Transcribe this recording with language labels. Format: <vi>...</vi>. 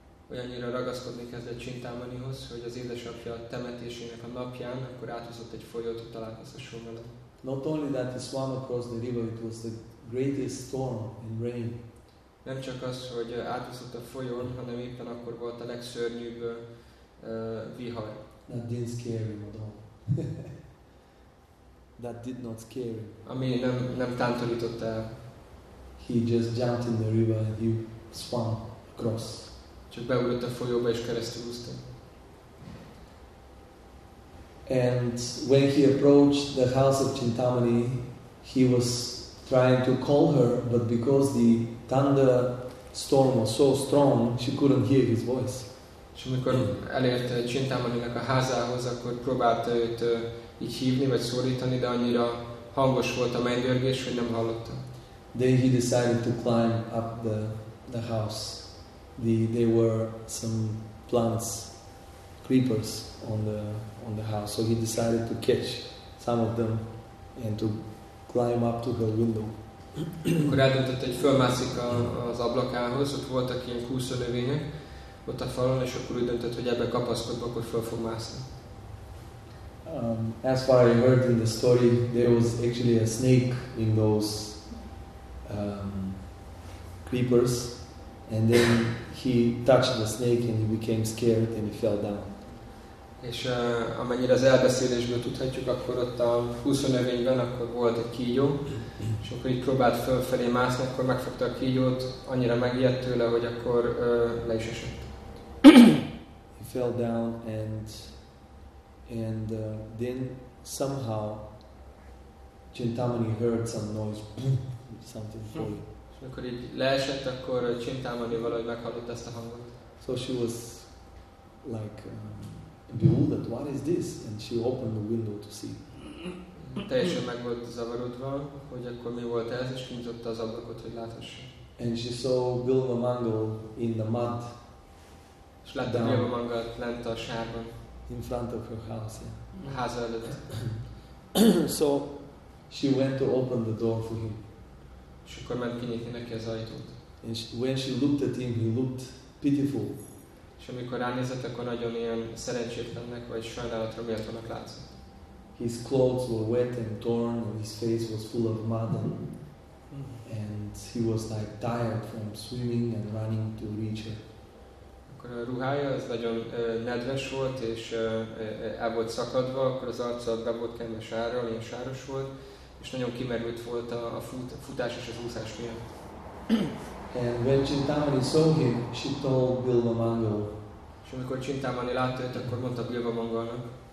<hu>Olyannyira ragaszkodni kezdett Chintamanihoz, hogy az édesapja a temetésének a napján, akkor áthozott egy folyót, hogy találkozhasson vele.</hu> <en>Not only that he swam across the river, it was the greatest storm and rain.</en> <hu>Nem csak az, hogy áthozott a folyón, hanem éppen akkor volt a legszörnyűbb vihar.</hu> <en>That didn't scare him at all. That did not scare him.</en> <hu>Ami nem tántorított el.</hu> <en>He just jumped in the river and he swam across.</en> <hu>Csak beugrott a folyóba és keresztül úszta.</hu> <en>And when he approached the house of Chintamani, he was trying to call her, but because the thunder storm was so strong, she couldn't hear his voice.</en> <hu>És amikor elért Chintamaninak a házához, akkor próbálta őt így hívni vagy szólítani, de annyira hangos volt a mennydörgés, hogy nem hallotta.</hu> <en>Then he decided to climb up the house. There were some plants, creepers on the house, so he decided to catch some of them and to climb up to her window.</en> <hu>Akkor eldöntött, hogy fölmászik az ablakához, ott voltak ilyen kúszó növények ott a falon, és akkor úgy döntött, hogy ebbe kapaszkodva, akkor föl fog mászni.</hu> <en>As far as I heard in the story, there was actually a snake in those creepers, and then he touched the snake and he became scared and he fell down.</en> <hu>És amennyire az elbeszélésből tudhatjuk, akkor ott a húszonövényben akkor volt egy kígyó, és akkor így próbált fölfelé mászni, akkor megfogta a kígyót, annyira megijedt tőle, hogy akkor le is esett.</hu> <en>He fell down and then somehow Chintamani heard some noise, something for you.</en> <hu>És amikor így leesett, akkor Chintamani valahogy meghallott ezt a hangot.</hu> <en>So she was like bewildered, what is this? And she opened the window to see.</en> <hu>Teljesen meg volt zavarodva, hogy akkor mi volt ez, és kinyitotta az ablakot, hogy láthassa.</hu> <en>And she saw Bilva Mango in the mud.</en> <hu>És látta Bilva Mangát lent a sárban.</hu> <en>In front of her house, yeah.</en> <hu>A háza előtt.</hu> <en>So she went to open the door for him.</en> <hu>És akkor ment kinyitni neki az ajtót.</hu> <en>And when she looked at him, he looked pitiful.</en> <hu>És amikor ránézett, akkor nagyon ilyen szerencsétlennek, vagy sajnálatra méltónak látszott.</hu> <en>His clothes were wet and torn, and his face was full of mud, and he was like tired from swimming and running to reach her.</en> <hu>Akkor a ruhája az nagyon nedves volt, és el volt szakadva, akkor az arca be volt kenve sárral, ilyen sáros volt, és nagyon kimerült volt a futás és az úszás miatt.</hu> <en>And when Chintamani saw him, she told Bilva Mango.</en> <hu>És amikor Chintamani látta őt, akkor mondta Bilva Mangónak,</hu>